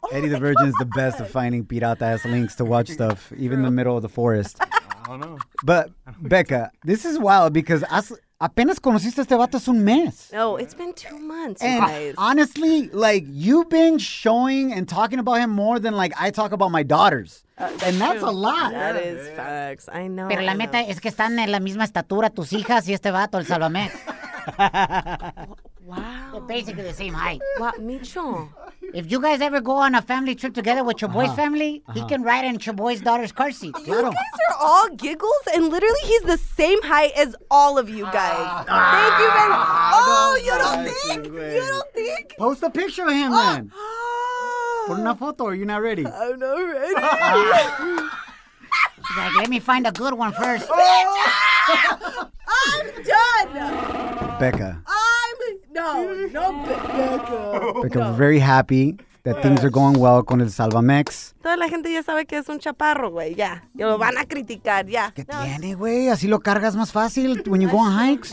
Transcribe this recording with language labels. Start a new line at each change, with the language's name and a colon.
English: Eddie the Virgin is the best at finding pirata ass links to watch stuff, even in the middle of the forest. I don't know. But, Becca, this is wild because
Spanish: apenas conociste este vato hace un mes.
English: No, it's been 2 months, and guys. Honestly, like, you've been showing and talking about him more than, like, I talk about my daughters. And that's a lot. That is facts. I know.
Spanish: Pero
English: I
Spanish: la
English: know.
Spanish: Meta es que están en la misma estatura tus hijas y este vato, el Salvamé.
English: Wow. They're basically the same height. What, Micho? If you guys ever go on a family trip together with Chaboy's family, he can ride in Chaboy's daughter's car seat. You guys are all giggles, and literally he's the same height as all of you guys. Thank you, man. You don't think? Post a picture of him, man. Put in a photo. Are you not ready? I'm not ready. He's like, let me find a good one first. I'm done. Becca. No, Becca. Becca, we're very happy that things are going well
Spanish: con el Salvamex. Toda la gente ya sabe que es un chaparro, güey. Ya. Yeah. Lo van a criticar, ya. Yeah. ¿Qué tiene, güey? Así lo cargas más fácil
English: when you go on hikes.